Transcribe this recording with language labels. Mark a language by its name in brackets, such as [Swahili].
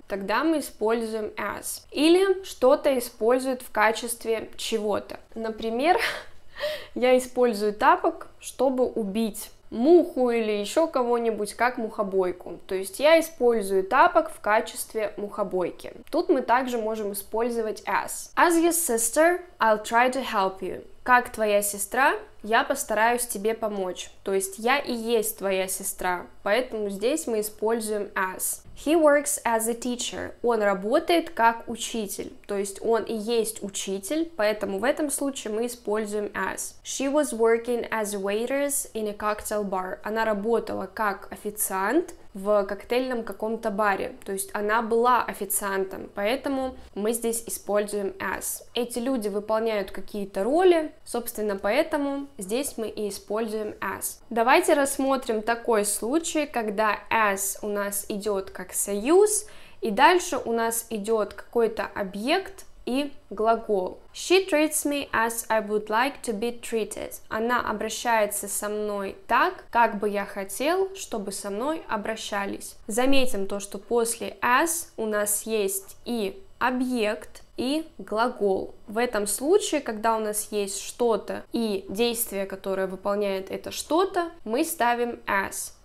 [Russian] Тогда мы используем as. Или что-то использует в качестве чего-то. Например, я использую тапок, чтобы убить муху или еще кого-нибудь, как мухобойку. То есть я использую тапок в качестве мухобойки. Тут мы также можем использовать as. [English] As your sister, I'll try to help you. [Russian] Как твоя сестра, я постараюсь тебе помочь. То есть я и есть твоя сестра, поэтому здесь мы используем as. [English] He works as a teacher. [Russian] Он работает как учитель. То есть он и есть учитель, поэтому в этом случае мы используем as. [English] She was working as a waitress in a cocktail bar. [Russian] Она работала как официант в коктейльном каком-то баре. То есть она была официантом, поэтому мы здесь используем as. Эти люди выполняют какие-то роли, собственно, поэтому здесь мы и используем as. Давайте рассмотрим такой случай, когда as у нас идет как союз, и дальше у нас идет какой-то объект и глагол. [English] She treats me as I would like to be treated. [Russian] Она обращается со мной так, как бы я хотел, чтобы со мной обращались. Заметим то, что после as у нас есть и объект, и глагол. В этом случае, когда у нас есть что-то и действие, которое выполняет это что-то, мы ставим as.